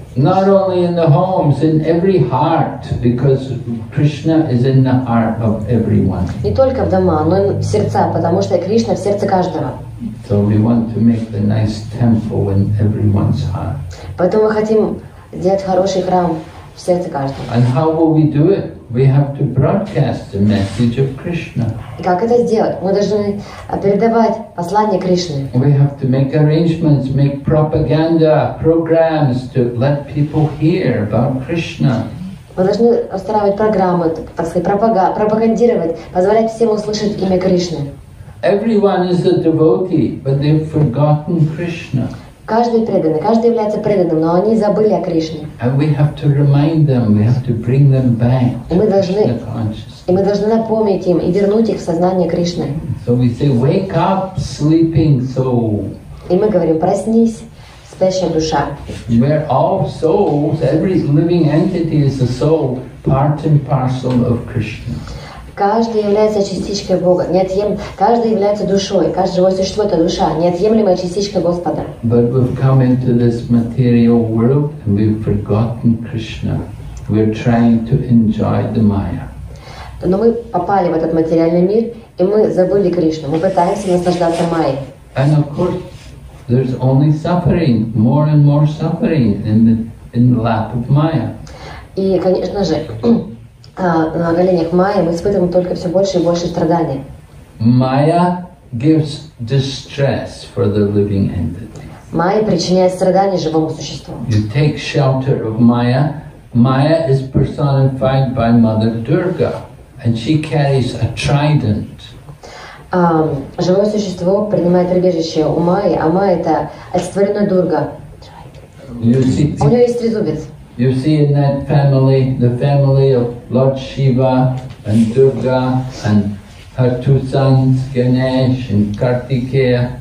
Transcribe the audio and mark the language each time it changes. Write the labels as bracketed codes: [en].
[en] Not only in the homes, in every heart, because Krishna is in the heart of everyone. [ru] Не только в домах, но и в сердцах, потому что Кришна в сердце каждого. [en] So we want to make a nice temple in everyone's heart. [ru] Поэтому мы хотим сделать хороший храм в сердце каждого. [en] And how will we do it? We have to broadcast the message of Krishna. [ru] Как это сделать? Мы должны передавать послание Кришны. [en] We have to make arrangements, make propaganda programs to let people hear about Krishna. [ru] Мы должны устраивать программы, так сказать, пропагандировать, позволять всем услышать имя Кришны. [en] Everyone is a devotee, but they've forgotten Krishna. [ru] Каждый преданный, каждый является преданным, но они забыли о Кришне. [en] And we have to remind them, we have to bring them back to Krishna consciousness. [ru] И мы должны напомнить им и вернуть их в сознание Кришны. [en] So we say, wake up, sleeping soul. [ru] И мы говорим, проснись, спящая душа. [en] We are all souls, every living entity is a soul, part and parcel of Krishna. [ru] Каждый является частичкой Бога, каждый является душой, каждое живое существо — это душа, неотъемлемая частичка Господа. [en] But we've come into this material world and we've forgotten Krishna. We're trying to enjoy the Maya. [ru] Но мы попали в этот материальный мир, и мы забыли Кришну. Мы пытаемся наслаждаться Майей. [en] And of course, there's only suffering, more and more suffering in the lap of Maya. [ru] И, конечно же, на коленях Майи мы испытываем только все больше и больше страданий. [en] Maya gives distress for the living entity. [ru] Майя причиняет страдания живому существу. [en] You take shelter of Maya. Maya is personified by Mother Durga, and she carries a trident. [ru] Живое существо принимает прибежище у Майи, а Майя — это олицетворенная Дурга. [en] You see, [ru] у нее есть трезубец. [en] You see in that family, the family of Lord Shiva and Durga and her two sons, Ganesh and Kartikeya.